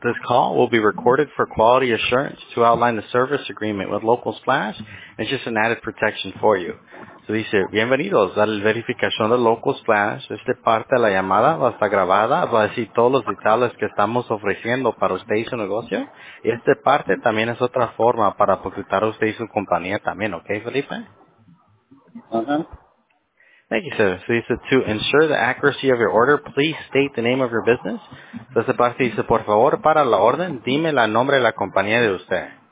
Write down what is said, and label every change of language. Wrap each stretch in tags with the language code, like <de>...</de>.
<en>This call will be recorded for quality assurance to outline the service agreement with Local Splash. It's just an added protection for you.</en> <es>Se dice, bienvenidos a la verificación de Local Splash. Esta parte de la llamada va a estar grabada. Va a decir todos los detalles que estamos ofreciendo para usted y su negocio. Y esta parte también es otra forma para publicitar a usted y su compañía también. ¿Ok, Felipe?</es> <en>Thank you, sir. So he said, to ensure the accuracy of your order, please state the name of your business.</en> <es>So esta parte dice, por favor, para la orden, dime el nombre de la compañía de usted.</es>